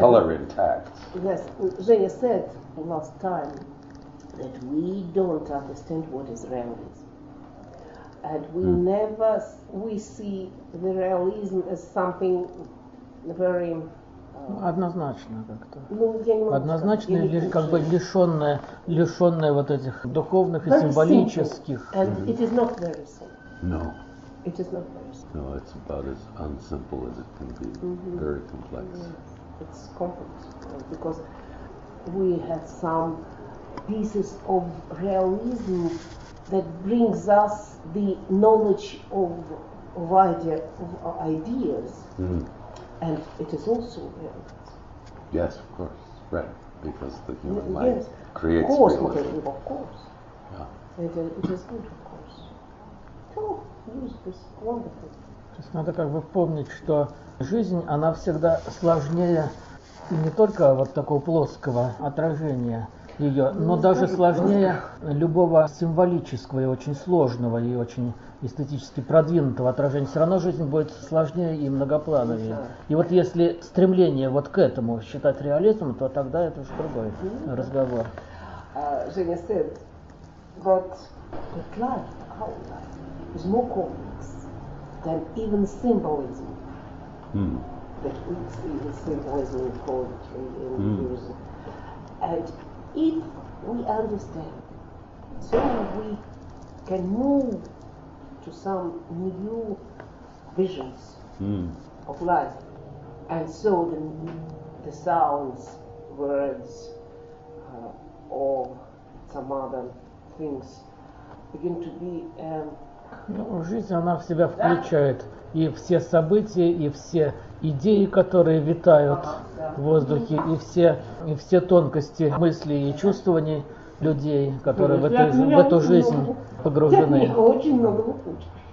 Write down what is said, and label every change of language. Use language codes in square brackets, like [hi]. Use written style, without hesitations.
[en] color intact. Yes, Zhenya said last time that we don't understand what is realism. And we never, we see the realism as something very... [ru] Однозначно как-то. Ну, я не могу однозначно сказать, или как бы лишённое вот этих духовных и символических. [en] And it is not very simple. No. It is not very simple. No, it's about as unsimple as it can be. Mm-hmm. Very complex. Yes. it's complex because we have some pieces of realism that brings us the knowledge of idea, of our ideas, and it is also realism. Yes, of course, right, because the human mind creates realism. Of course, realism. Of course. Yeah. It is good, of course. [ru] То есть надо как бы помнить, что жизнь, она всегда сложнее не только вот такого плоского отражения ее, но даже сложнее любого символического и очень сложного и очень эстетически продвинутого отражения. Все равно жизнь будет сложнее и многоплановее. И вот если стремление вот к этому считать реализмом, то тогда это уже другой разговор. [en] Женя, but life, how life? Is more complex than even symbolism that we see in symbolism in poetry and music. And if we understand, so we can move to some new visions of life. And so the sounds, words, or some other things begin to be. [ru] Ну, жизнь, она в себя включает и все события, и все идеи, которые витают в воздухе, и все тонкости мыслей и чувствований людей, которые в эту жизнь погружены. Очень много выключишь.